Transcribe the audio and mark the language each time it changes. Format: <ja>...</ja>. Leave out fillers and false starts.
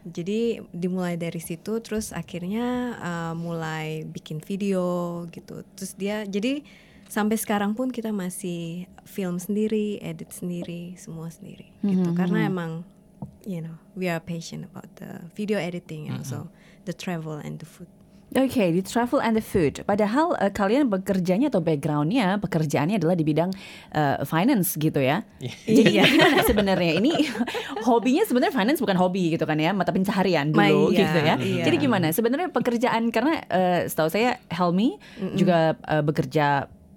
<id>Jadi dimulai dari situ, terus akhirnya mulai bikin video gitu. Terus dia jadi sampai sekarang pun kita masih film sendiri, edit sendiri, semua sendiri gitu. Karena emang</id> <en>you know, we are patient about the video editing and also the travel and the food. Okay, the travel and the food.</en> <id>Padahal kalian bekerjanya atau backgroundnya pekerjaannya adalah di bidang finance gitu ya. Jadi gimana sebenarnya ini hobinya sebenarnya finance, bukan hobi gitu kan ya, mata pencaharian dulu gitu ya. Yeah. Jadi gimana sebenarnya pekerjaan, karena setahu saya Helmy juga bekerja.</id>